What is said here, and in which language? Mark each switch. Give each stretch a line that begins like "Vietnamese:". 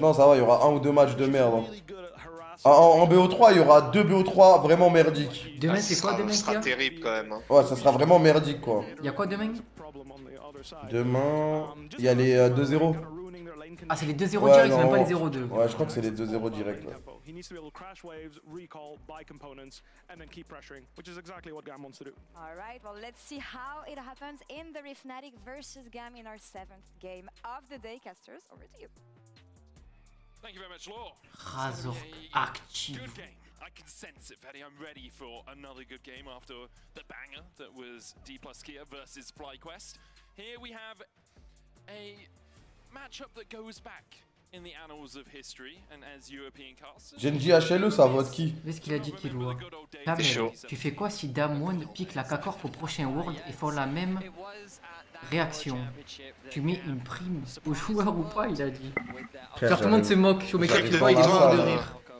French: Non, ça va, il y aura un ou deux matchs de merde. Ah, en BO3, il y aura deux BO3 vraiment merdiques. Demain, c'est quoi demain? Ça sera terrible quand même. Ouais, ça sera vraiment merdique, quoi. Il y a quoi demain? Demain, il y a les 2-0. Ah, c'est les 2-0 ouais, direct, non, c'est même pas les 0-2. Ouais, je crois que c'est les 2-0 direct. Ouais.
English: Alright, well, let's see how it happens in the Refnatic versus GAM in our 7th game of the day. Casters, over to you. Thank you very much, Law. Razork active. I can sense it, Fetty. I'm ready for another good game after the banger that was D plus Kia versus FlyQuest. Here we have a matchup that goes back in the annals of history and as European casters.
French: Genji HLE, ça vote qui? Qu'est-ce qu'il a dit qu'il voit? Damien, tu fais quoi si Damwon pique la KaKor au prochain World et font la même réaction? Tu mets une prime au joueur ou pas, il a dit. Frère, tout le monde se moque, je mets quelque chose de rire.